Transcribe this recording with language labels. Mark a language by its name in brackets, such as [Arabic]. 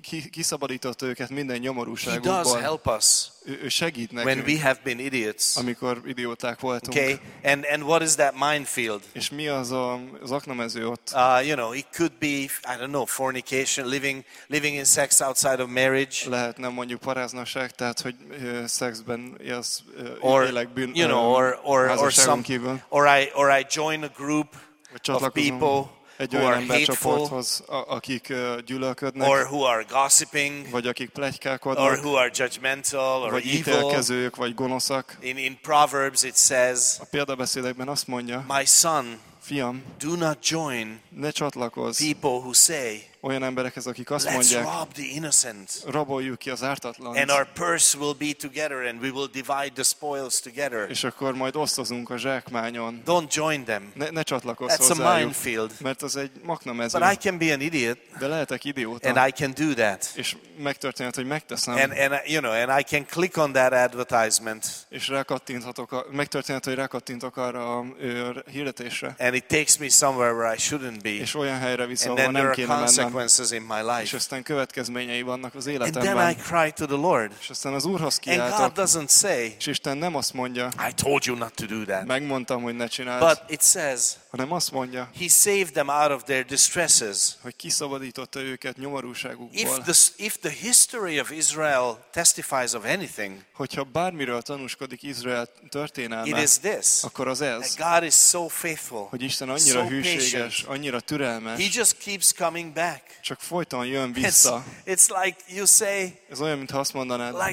[Hungarian] Kiszabadított őket minden nyomorúságukból. [English] He does help us. [Hungarian] Ő segít nekünk. [English] When we have been idiots. [Hungarian] Amikor idióták voltunk. [English] Okay. And what is that minefield? [Hungarian] És mi az a zaknamező ott? [English] You know, it could be, I don't know, fornication, living in sex outside of marriage. [Hungarian] Lehet, nem mondjuk paráznaság, tehát hogy szexben élsz, élek bűn. [English] You know, or I join a group of people. [Hungarian] Egy olyan embercsoporthoz, akik gyűlölködnek, [English] or who are gossiping, [Hungarian] vagy akik plegykálkodnak, [English] or who are judgmental, or [Hungarian] vagy ítélkezők, vagy gonoszak. [English] In Proverbs it says, [Hungarian] a példabeszédekben azt mondja, [English] my son, [Hungarian] fiam, [English] do not join, [Hungarian] ne csatlakozz [English] people who say, [Hungarian] olyan emberekhez, akik azt mondják, [English] rob the innocent, [Hungarian] raboljuk ki az ártatlant, [English] and our purse will be together and we will divide the spoils together. [Hungarian] És akkor majd osztozunk a zsákmányon. [English] Don't join them. [Hungarian] Ne csatlakozz hozzájuk. [English] That's a minefield. [Hungarian] Mert az egy maknamező. [English] But I can be an idiot. [Hungarian] De lehetek idióta. [English] And I can do that. [Hungarian] És megtörténhet, hogy megteszem. [English] And you know, and I can click on that advertisement. [Hungarian] És megtörténhet, hogy rákattintok arra a hirdetésre. [English] And it takes me somewhere where I shouldn't be. [Hungarian] És olyan helyre visz, ahol nem kéne mennem. [English] Consequences in my life. [Hungarian] És aztán következményei vannak az életemben. [English] And then I cry to the Lord. [Hungarian] És aztán az Úrhoz kiáltok. [English] And God doesn't say. [Hungarian] És Isten nem azt mondja. [English] I told you not to do that. [Hungarian] Megmondtam, hogy ne csináld. [English] But it says. [Hungarian] Hanem azt mondja. [English] He saved them out of their distresses. [Hungarian] Hogy kiszabadította őket nyomorúságukból. [English] If the history of Israel testifies of anything. [Hungarian] Hogyha bármiről tanúskodik Izrael történelme. [English] It is this. [Hungarian] Akkor az ez. [English] That God is so faithful. [Hungarian] Hogy Isten annyira [English] so [Hungarian] hűséges, [English] patient. [Hungarian] Annyira türelmes. [English] He just keeps coming back. [Hungarian] Csak folyton jön vissza. [English] It's like you say. [Hungarian] Ez olyan, mint ha azt mondanád.